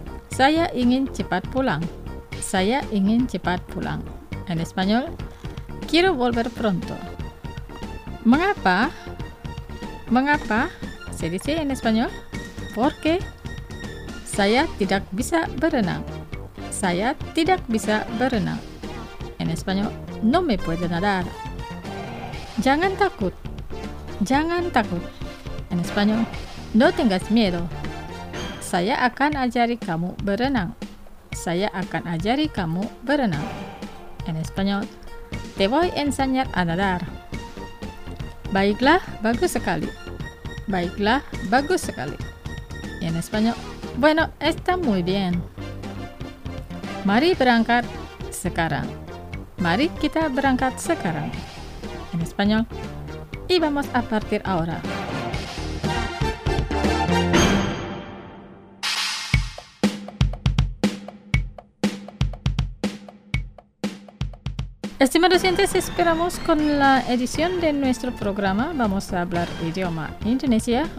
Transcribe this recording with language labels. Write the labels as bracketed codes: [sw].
[id] Saya ingin cepat pulang. Saya ingin cepat pulang. [es] En español, quiero volver pronto. [id] Mengapa? Mengapa? [es] Se dice en español, ¿Por qué? [id] Saya tidak bisa berenang. Saya tidak bisa berenang. [es] En español, no me puedo nadar. [id] Jangan takut. Jangan takut. [es] En español, no tengas miedo. [id] Saya akan ajari kamu berenang. Saya akan ajari kamu berenang. [es] En español, te voy a enseñar a nadar. [id] Baiklah, bagus sekali. Baiklah, bagus sekali. [es] En español, bueno, está muy bien. [id] Mari berangkat sekarang. Mari kita berangkat sekarang. [es] En español, y vamos a partir ahora. Estimados oyentes, esperamos con la edición de nuestro programa Vamos a hablar idioma indonesia.